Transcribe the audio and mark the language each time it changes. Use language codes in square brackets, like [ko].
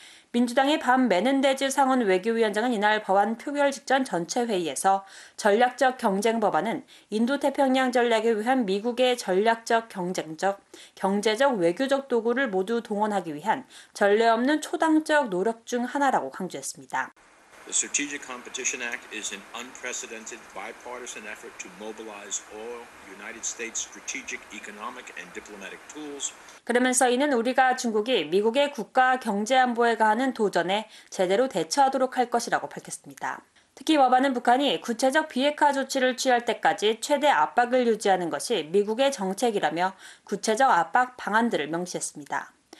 [ko] 민주당의 밤 메넨데즈 상원 외교위원장은 이날 법안 표결 직전 전체 회의에서 전략적 경쟁 법안은 인도태평양 전략에 위한 미국의 전략적 경쟁적, 경제적, 외교적 도구를 모두 동원하기 위한 전례 없는 초당적 노력 중 하나라고 강조했습니다. [en] The Strategic Competition Act is an unprecedented bipartisan effort to mobilize all United States strategic, economic, and diplomatic tools. [ko] 그러면서 이는 우리가 중국이 미국의 국가 경제 안보에 가하는 도전에 제대로 대처하도록 할 것이라고 밝혔습니다. 특히 법안은 북한이 구체적 비핵화 조치를 취할 때까지 최대 압박을 유지하는 것이 미국의 정책이라며 구체적 압박 방안들을 명시했습니다.